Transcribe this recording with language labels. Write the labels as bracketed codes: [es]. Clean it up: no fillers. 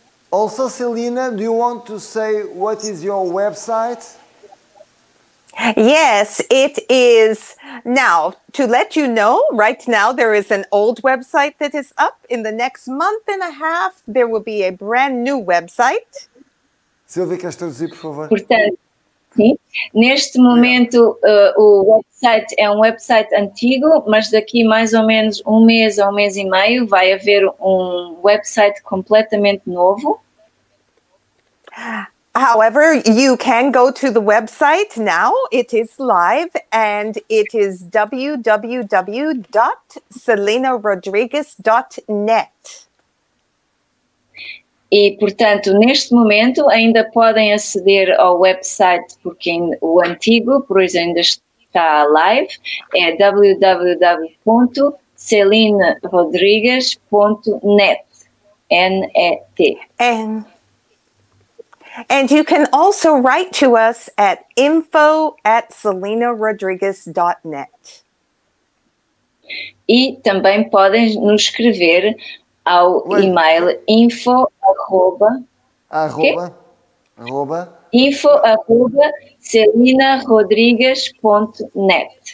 [en] Also, Celina, do you want to say what is your website? Yes, it is. Now, to let you know, right now there is an old website that is up. In the next month and a half, there will be a brand new website. [pt] Silvia, queres traduzir, por favor? Portanto, sim. Neste momento, o website é um website antigo, mas daqui mais ou menos um mês e meio, vai haver um website completamente novo. [en] However, you can go to the website now. It is live and it is www.selinarodrigues.net. [pt] E, portanto, neste momento ainda podem aceder ao website porque o antigo, por isso ainda está live, é www.selinarodrigues.net. N-E-T. [en] And you can also write to us at info@selinarodrigues.net. [pt] E também podem nos escrever ao e-mail info@selinarodrigues.net.